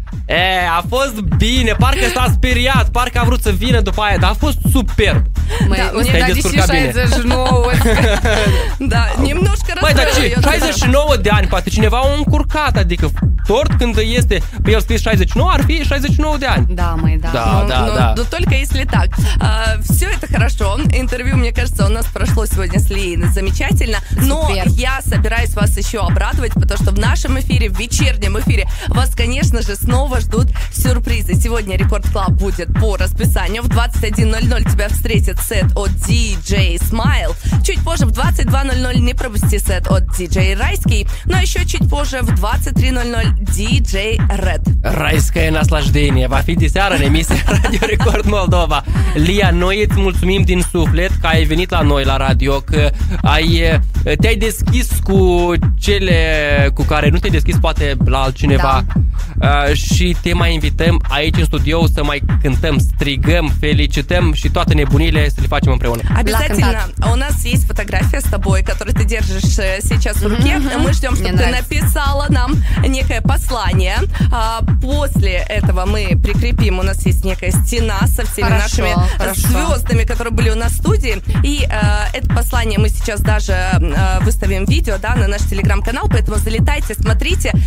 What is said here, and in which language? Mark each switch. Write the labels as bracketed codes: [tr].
[ro] E, a fost bine, parcă s-a speriat, parcă a vrut să vină după aia, dar a fost superb. Măi, da, mi-a dat și 69. Da, nimnoșcă răzbără. Măi, dar ce, 69 de ani, poate cineva a încurcat, adică tort când este, pe el scris 69, ar fi 69 de ani. Da, măi, da. Da, no, da, no, da. [ru] Но только если так. Все это хорошо. Интервью, мне кажется, у нас прошло сегодня с Лией замечательно. Но супер. Я собираюсь вас еще обрадовать, потому что в нашем эфире, в вечернем эфире, вас, конечно же, снова ждут сюрпризы. Сегодня Рекорд Клаб будет по расписанию. В 21.00 тебя встретит сет от DJ Smile. Чуть позже в 22.00 не пропусти сет от DJ Райский. Но еще чуть позже в 23.00 DJ Red. Райское наслаждение. В офисе сяра на миссии Радио Рекорд Молдова. [ro] Лия, noi îți mulțumim din suflet că ai venit la noi la radio, că ai, te-ai deschis cu cele cu care nu te-ai deschis poate la altcineva, da. Și te mai invităm aici în studio să mai cântăm, strigăm, felicităm și toate nebunile să le facem împreună. [ru] Обязательно. У нас есть фотография с тобой, которую ты держишь сейчас в руке. Mm-hmm. Мы ждем, чтобы ты написала нам некое послание. После этого мы прикрепим, у нас есть некая стена со всеми хорошо, нашими хорошо. Звездами, которые были у нас в студии. И это послание мы сейчас даже выставим видео, да, на наш телеграм-канал, поэтому залетайте, смотрите.